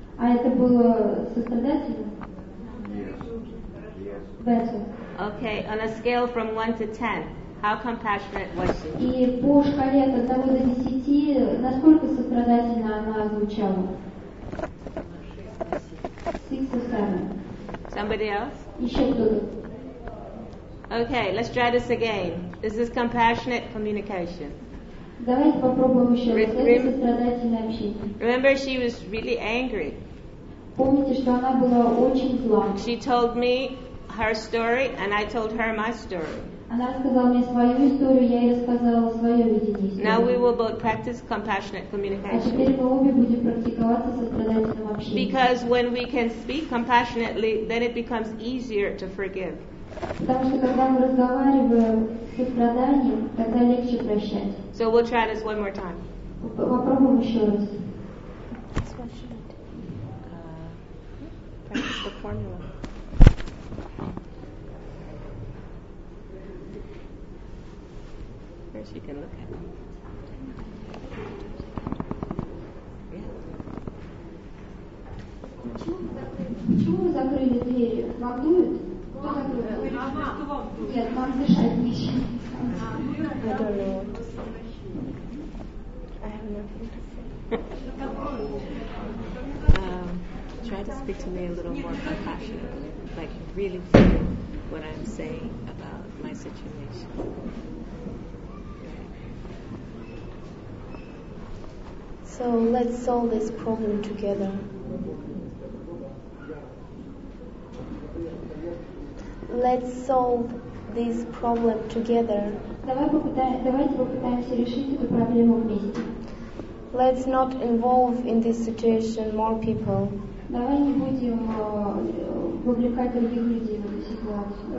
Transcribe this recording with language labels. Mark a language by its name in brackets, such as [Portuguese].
[Russian] Это было сострадательно? [English] Yes. Better. Okay, on a scale from 1 to 10, how compassionate was she? [Russian] И по шкале от 1 до 10, насколько сострадательно она звучала? [English] 6 or 7. Somebody else? [Russian] Еще кто-то. [English] Okay, let's try this again. This is compassionate communication. [Russian] Давайте попробуем еще раз. Это сострадательное общение. [English] Remember, she was really angry. [Russian] Помните, что она была очень зла. [English] She told me her story, and I told her my story. [Russian] Она рассказала мне свою историю, я ей рассказала свою видение. [English] Now we will both practice compassionate communication. [Russian] А теперь мы обе будем практиковаться сострадательным общением. [English] Because when we can speak compassionately, then it becomes easier to forgive. [Russian] Потому что когда мы разговариваем с состраданием, тогда легче прощать. [English] So we'll try this one more time. [Russian] Попробуем еще раз. [English] Practice the formula. First you can look at it. [Russian] Почему вы закрыли двери? Вам дует? [English] I don't know what to say. I have nothing to say. Try to speak to me a little more compassionately. Like, really feel what I'm saying about my situation. So, let's solve this problem together. Let's solve this problem together. [Russian] Давайте попытаемся решить эту проблему вместе. [English] Let's not involve in this situation more people. [Russian] Давай не будем вовлекать других людей в эту ситуацию.